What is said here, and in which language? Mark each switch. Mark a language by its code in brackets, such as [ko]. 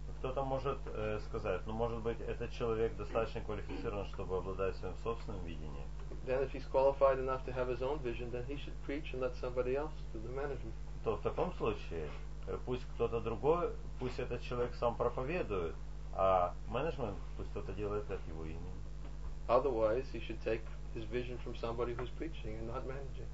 [ru] Кто-то может сказать, ну может быть этот человек достаточно квалифицирован, чтобы обладать своим собственным видением. [en] Then if he's qualified enough to have his own vision, then he should preach and let somebody else do the management. [ru] То в таком случае, пусть кто-то другой, пусть этот человек сам проповедует, а менеджмент пусть кто-то делает от его имени. [en] Otherwise, he should take his vision from somebody who's preaching and not managing.